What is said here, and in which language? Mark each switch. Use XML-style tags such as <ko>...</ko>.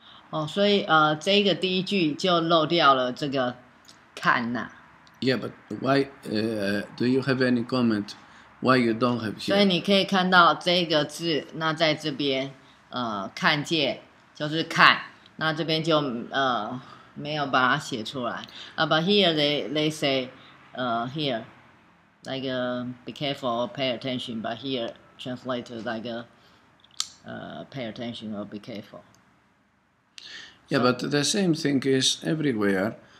<zh>哦，所以这个第一句就漏掉了这个看呐。</zh> <en>Yeah, but why, do you have any comment? Why you don't have here?</en> <zh>所以你可以看到这个字，那在这边，看见就是看，那这边就没有把它写出来。</zh> <en>But here they say, here, like be careful, or pay attention. But here translated like pay attention or be careful. Yeah, so, but the same thing is everywhere.</en>